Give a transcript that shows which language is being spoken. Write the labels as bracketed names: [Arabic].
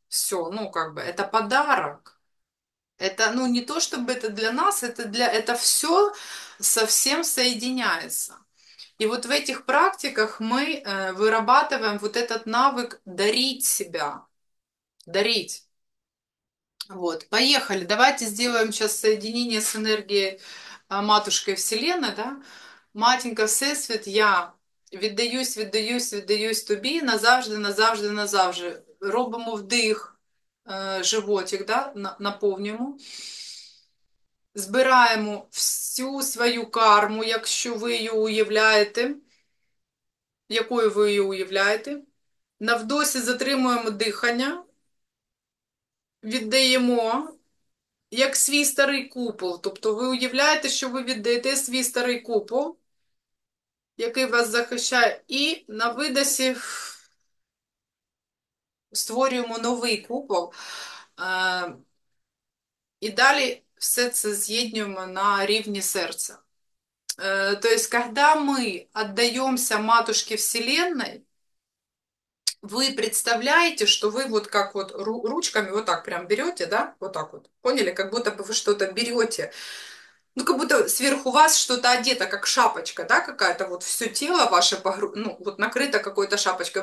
[Russian] Все, ну как бы, это подарок. Это, ну не то чтобы это для нас, это все совсем соединяется. И вот в этих практиках мы вырабатываем вот этот навык дарить себя. Дарить. Вот, поехали. Давайте сделаем сейчас соединение с энергией Матушкой Вселенной, да? [Ukrainian] Матенька Всесвіт, я віддаюсь, віддаюсь, віддаюсь тобі назавжди, назавжди, назавжди. Робимо вдих, животик, да? Наповнюємо. Збираємо всю свою карму, якщо ви її уявляєте, якою ви її уявляєте. На вдосі затримуємо дихання, віддаємо, як свій старий купол. Тобто ви уявляєте, що ви віддаєте свій старий купол, який вас захищає, і на видосі створюємо новий купол. І далі все це з'єднюємо на рівні серця. [Russian] То есть, когда мы отдаемся матушке Вселенной, вы представляете, что вы вот как вот ручками вот так прям берете, да, вот так вот, поняли, как будто бы вы что-то берете, ну, как будто сверху вас что-то одето, как шапочка, да, какая-то вот все тело ваше, ну, вот накрыто какой-то шапочкой.